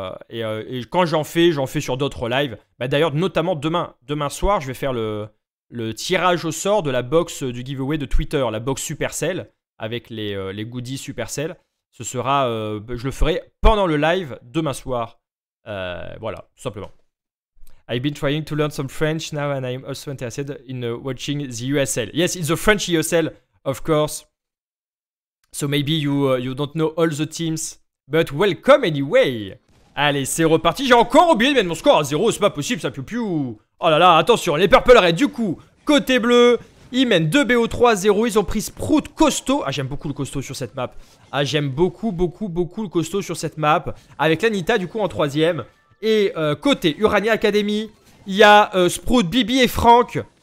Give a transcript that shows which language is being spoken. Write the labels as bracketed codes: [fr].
[fr] Et quand j'en fais sur d'autres lives. Bah, d'ailleurs, notamment demain. Demain soir, je vais faire le tirage au sort de la box du giveaway de Twitter, la box Supercell, avec les goodies Supercell. Ce sera, je le ferai pendant le live demain soir. Voilà, tout simplement. [en] I've been trying to learn some French now and I'm also interested in watching the USL. Yes, it's the French USL, of course. So maybe you don't know all the teams. But welcome anyway. Allez, c'est reparti. [fr] J'ai encore oublié de mettre mon score à 0. C'est pas possible, ça pue plus. Oh là là, attention, les Purple Reds, du coup, côté bleu, ils mènent 2 BO 3-0. Ils ont pris Sprout costaud. Ah, j'aime beaucoup le costaud sur cette map. Ah, j'aime beaucoup, beaucoup, beaucoup le costaud sur cette map. Avec l'Anita, du coup, en troisième. Et côté Urania Academy, il y a Sprout, Bibi et Franck.